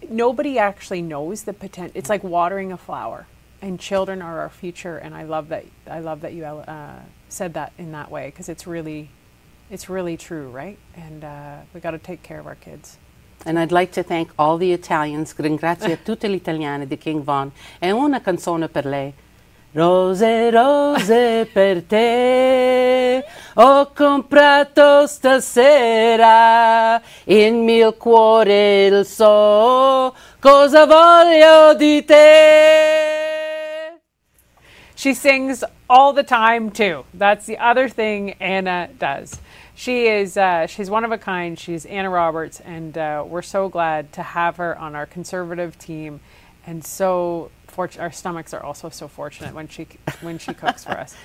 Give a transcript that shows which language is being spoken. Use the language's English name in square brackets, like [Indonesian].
[English] Nobody actually knows the potential. It's like watering a flower. And children are our future. And I love that you said that in that way, because it's really true, right? And we got to take care of our kids. And I'd like to thank all the Italians. [Italian] Ringrazio tutte le italiane di King Vaughan. E una canzone per lei. Rose, rose per te, ho comprato stasera, il mio cuore il so, cosa voglio di te. [English] She sings all the time too. That's the other thing Anna does. She is, she's one of a kind. She's Anna Roberts, and we're so glad to have her on our conservative team, and so our stomachs are also so fortunate when she cooks for us.